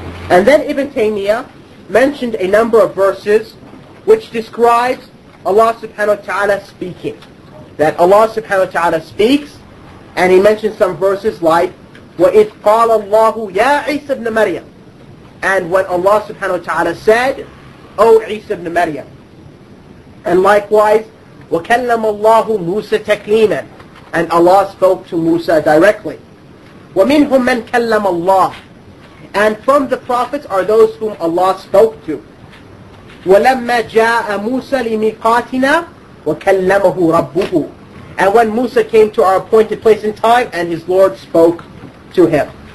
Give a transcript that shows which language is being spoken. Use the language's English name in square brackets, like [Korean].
[English] And then Ibn Taymiyyah mentioned a number of verses which describes Allah subhanahu wa ta'ala speaking. That Allah subhanahu wa ta'ala speaks, and he mentioned some verses like, [Arabic] وَإِذْ قَالَ اللَّهُ يَا عِيسَى ابْنَ مَرْيَمَ. [English] And when Allah subhanahu wa ta'ala said, O Isa ibn Maryam. And likewise, [Arabic] وَكَلَّمَ اللَّهُ مُوسَى تَكْلِيمًا. [English] And Allah spoke to Musa directly. [Arabic] وَمِنْهُمْ مَنْ كَلَّمَ اللَّهُ. [English] And from the prophets are those whom Allah spoke to. [Arabic] وَلَمَّا جَاءَ مُوسَى لِمِقَاتِنَا وَكَلَّمَهُ رَبُّهُ. [English] And when Musa came to our appointed place and time, and his Lord spoke to him.